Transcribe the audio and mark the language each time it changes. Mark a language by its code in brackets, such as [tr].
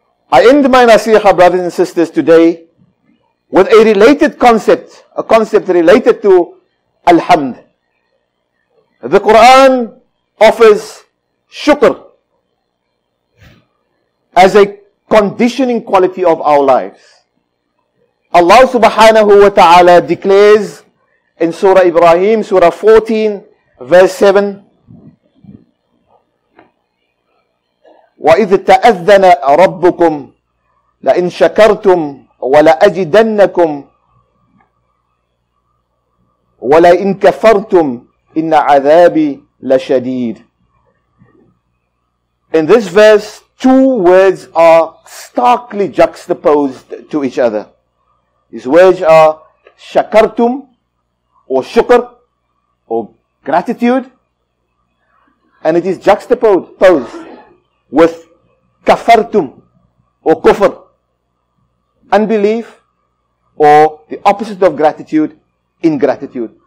[en] I end my nasiha, brothers and sisters, today with a related concept, a concept related to alhamd. The Quran offers shukr as a conditioning quality of our lives. Allah subhanahu wa ta'ala declares in Surah Ibrahim, Surah 14, verse 7, [ar] وَإِذْ تَأَذَّنَ رَبُّكُمْ لَإِنْ شَكَرْتُمْ وَلَأَجِدَنَّكُمْ وَلَإِنْ كَفَرْتُمْ إِنَّ عَذَابِي لَشَدِيدٌ. [en] In this verse, two words are starkly juxtaposed to each other. These words are shakartum, or shukr, or gratitude, and it is juxtaposed with kafartum, or kufr, unbelief, or the opposite of gratitude, ingratitude.